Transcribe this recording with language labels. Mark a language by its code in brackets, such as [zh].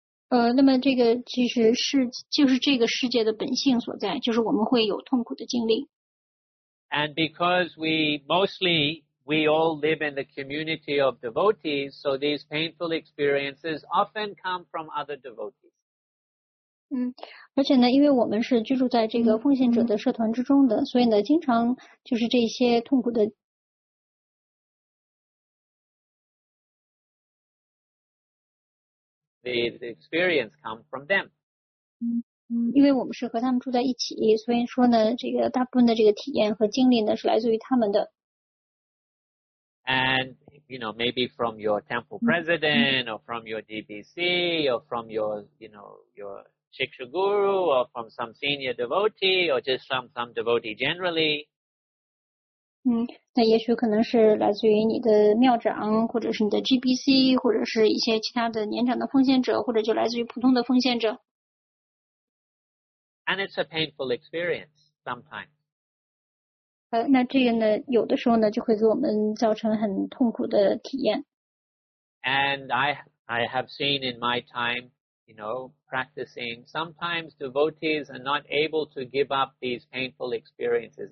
[zh] 那么这个其实是就是这个世界的本性所在，就是我们会有痛苦的经历。 [en] And because we all live in the community of devotees, so these painful experiences often come from other devotees. [zh] 而且呢，因为我们是居住在这个奉献者的社团之中的，所以呢，经常就是这些痛苦的。 [en] The experience come from them. [zh] 因为我们是和他们住在一起，所以说呢，这个大部分的这个体验和经历呢，是来自于他们的。 [en] And you know, maybe from your temple president, or from your DBC, or from your Shiksha Guru, or from some senior devotee, or just from some devotee generally. [zh] 那也许可能是来自于你的庙长，或者是你的 GBC， 或者是一些其他的年长的奉献者，或者就来自于普通的奉献者。 [en] And it's a painful experience sometimes. [zh] 那这个呢，有的时候呢，就会给我们造成很痛苦的体验。 [en] And I have seen in my time, you know, practicing, sometimes devotees are not able to give up these painful experiences.